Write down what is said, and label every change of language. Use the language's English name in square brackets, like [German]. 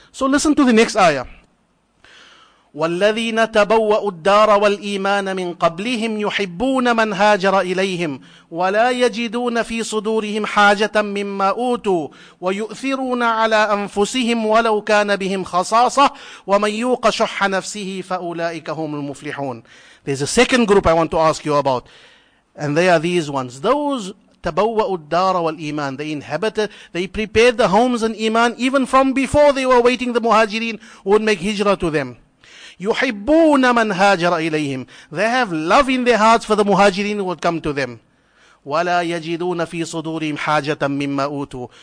[English] So listen to the next ayah. [Arabic] وَالَّذِينَ تَبَوَّأُوا الدَّارَ وَالْإِيمَانَ مِنْ قَبْلِهِمْ يُحِبُّونَ مَنْ هَاجَرَ إِلَيْهِمْ وَلَا يَجِدُونَ فِي صُدُورِهِمْ حَاجَةً مِمَّا أُوتُوا وَيُؤْثِرُونَ عَلَى أَنفُسِهِمْ وَلَوْ كَانَ بِهِمْ خَصَاصَةً وَمَنْ يُوقَ شُحَّ نَفْسِهِ فَأُولَئِكَ هُمُ الْمُفْلِحُونَ. [English] There's a second group I want to ask you about. And they are these ones. [Arabic] Those تَبَوَّأُ الدَّارَ وَالْإِيمَانِ. [English] They inhabited, they prepared the homes and iman even from before they were waiting the muhajirin who would make hijrah to them. [Arabic] يُحِبُّونَ مَنْ هَاجَرَ إِلَيْهِمْ. [English] They have love in their hearts for the muhajirin who would come to them. [Arabic] وَلَا يَجِدُونَ فِي صُدُورِهِمْ حَاجَةً مِمَّا أُوتُوا.